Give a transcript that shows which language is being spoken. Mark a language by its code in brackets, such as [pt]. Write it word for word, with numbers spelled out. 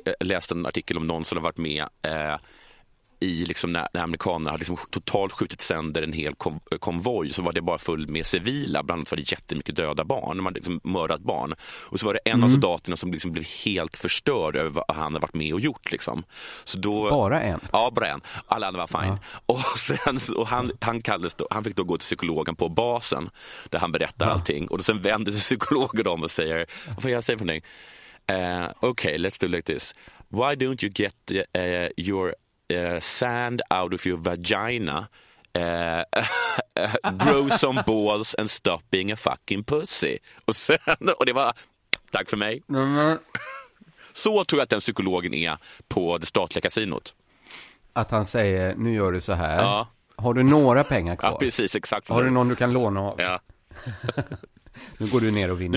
[sv] Jag läste en artikel om någon som har varit med eh, i liksom när, när amerikanerna har liksom totalt skjutit sönder en hel kom, konvoj så var det bara full med civila, bland annat var det jättemycket döda barn, de hade liksom mördat barn och så var det en mm. av soldaterna som liksom blev helt förstörd över vad han hade varit med och gjort liksom. Så då, bara en? Ja, bara en, alla andra var fine ja. och, sen, och han, han, kallades då, han fick då gå till psykologen på basen där han berättar ja. allting och då sen vänder sig psykologen om och säger, vad får jag säga för någonting? Uh, Okej, [en] okay, let's do like this. Why don't you get uh, your uh, sand out of your vagina? Uh, grow some balls and stop being a fucking pussy. [sv] Och, sen, och det var tack för mig. Mm. Så tror jag att den psykologen är på det statliga kasinot. Att han säger, nu gör du så här. Ja. Har du några pengar kvar? Ja, precis, exakt. Har du någon du kan låna av? Ja. Nu går du ner och vinner